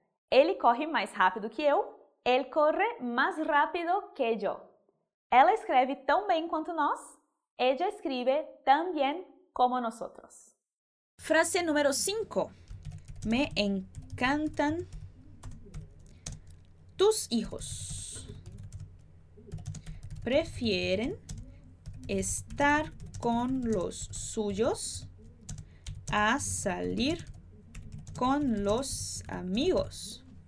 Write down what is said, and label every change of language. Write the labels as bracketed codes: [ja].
[pt] Ele corre mais rápido que eu. [es] Él corre más rápido que yo. [pt] Ela escreve tão bem quanto nós. [es] Ella escribe tan bien como nosotros. [pt] Frase número 5. [es] Me encantan tus hijos. Prefieren estar con los suyos a salir con los amigos.